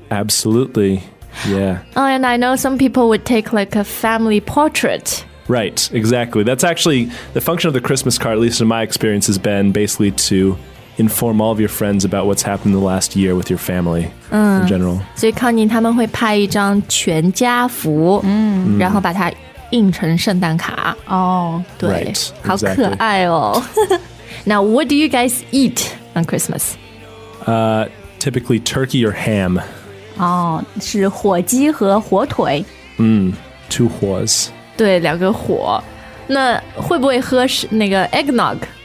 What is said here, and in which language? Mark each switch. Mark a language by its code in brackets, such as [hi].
[en] Absolutely Yeah And I know some people would take like a family portrait Right, exactly That's actually the function of the Christmas card At least in my experience has been basically toinform all of your friends about what's happened the last year with your family in general. [zh] 所以康妮他们会拍一张全家福然后把它印成圣诞卡。哦、对。 [en] Right, [zh] 好可爱哦。 [en] Now, what do you guys eat on Christmas? Typically turkey or ham. [zh] 哦、是火鸡和火腿。 [en] Two whores. [zh] 对两个火。那会不会喝那个 eggnog?